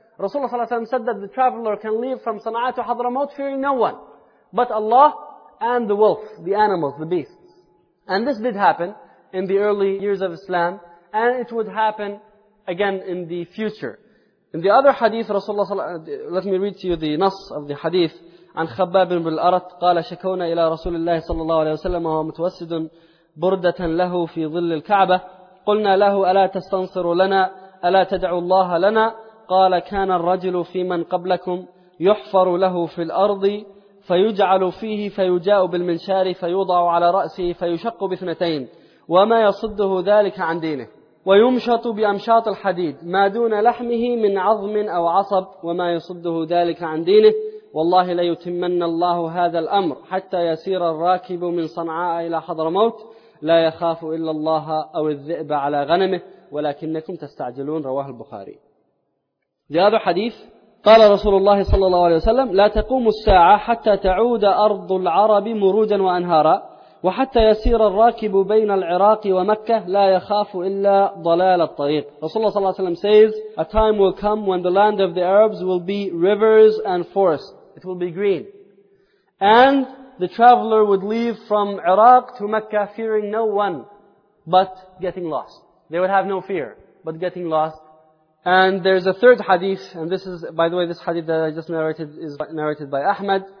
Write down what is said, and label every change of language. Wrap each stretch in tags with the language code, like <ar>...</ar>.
<en>Rasulullah ﷺ said that the traveler can leave from Sana'a to Hadramaut fearing no one but Allah and the wolf, the animals, the beasts. And this did happen in the early years of Islam, and it would happen again in the future. In the other hadith, Rasulullah ﷺ, let me read to you the nass of the hadith.</en> <ar>عن خباب بن الأرت قال شكونا إلى رسول الله صلى الله عليه وسلم وهو متوسد بردة له في ظل الكعبة قلنا له ألا تستنصر لنا ألا تدعو الله لنا قال كان الرجل في من قبلكم يحفر له في الأرض فيجعل فيه فيجاء بالمنشار فيوضع على رأسه فيشق باثنتين وما يصده ذلك عن دينه ويمشط بأمشاط الحديد ما دون لحمه من عظم أو عصب وما يصده ذلك عن دينه والله لا يتمن الله هذا الأمر حتى يسير الراكب من صنعاء إلى حضرموت لا يخاف إلا الله أو الذئب على غنمه ولكنكم تستعجلون رواه البخاري. في هذا الحديث قال رسول الله صلى الله عليه وسلم لا تقوم الساعة حتى تعود أرض العرب مروجا وأنهارا وحتى يسير الراكب بين العراق ومكة لا يخاف إلا ضلال الطريق.</ar> <en>Rasulullah صلى الله عليه وسلم says, a time will come when the land of the Arabs will be rivers and forests. It will be green. And the traveler would leave from Iraq to Mecca fearing no one but getting lost. They would have no fear but getting lost. And there's a third hadith, and this is, by the way, this hadith that I just narrated is narrated by Ahmad.</en>